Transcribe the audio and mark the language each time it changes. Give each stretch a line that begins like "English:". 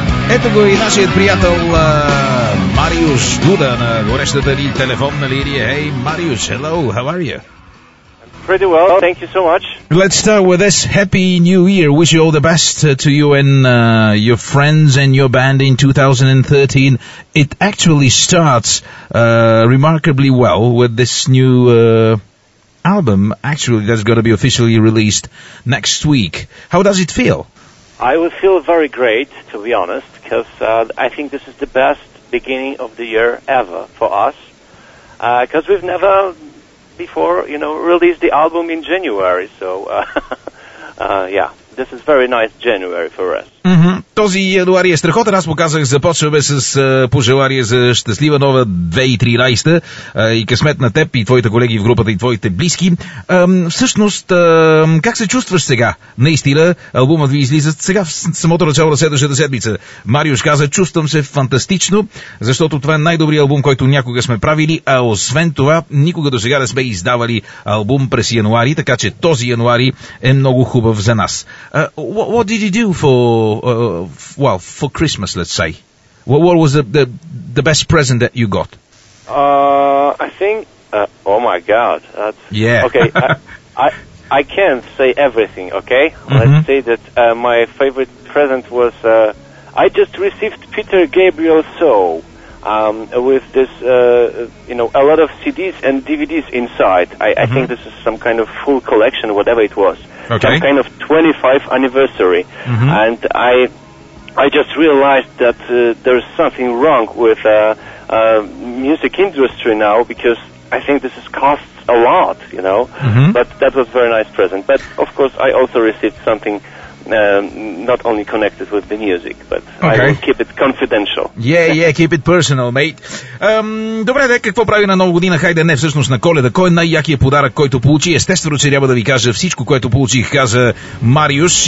Bulgarian: Ето го и нашият приятел Мариус Дуда на горещата ни телефонна линия.
English: Hey, Мариус, hello, how are you? Pretty well, thank you so much. Let's start with this. Happy New Year. Wish you all the best to you and your friends and your band in 2013. It actually starts remarkably well with this new album, actually, that's going to be officially released next week. How does it feel? I would feel very great, to be honest, because I think this is the best beginning of the year ever for us. Because we've never before, you know, released the album in January, so yeah. This is very nice January for us. Mm-hmm.
Bulgarian: Този януари е страхотен. Аз показах, започваме с пожелание за щастлива нова 2013 и късмет на теб и твоите колеги в групата и твоите близки. Всъщност, как се чувстваш сега? Наистина, албумът ви излиза сега в самото начало на следващата седмица. Мариуш каза, чувствам се фантастично, защото това е най-добрият албум, който някога сме правили, а освен това, никога до сега не сме издавали албум през януари, така че този януари е много хубав за нас.
English: What did you do for Christmas, let's say? What was the best present that you got? I think oh my god, that's, yeah. Okay, I can't say everything. Okay, mm-hmm. Let's say that my favorite present was I just received Peter Gabriel's soul with this you know, a lot of CDs and DVDs inside. I think this is some kind of full collection, whatever it was. Okay. Some kind of 25th anniversary, mm-hmm. And I just realized that there's something wrong with music industry now, because I think this is costs a lot, you know. Mm-hmm. But that was a very nice present. But of course, I also received something not only connected with the music, but okay. I will keep it confidential. Yeah, yeah, keep it personal, mate.
Bulgarian: Добре, де, какво прави на Нова година? Хайде, не всъщност на Коледа. Кой е най-якият подарък, който получи? Естествено, че трябва да ви кажа всичко, което получих, каза Мариуш.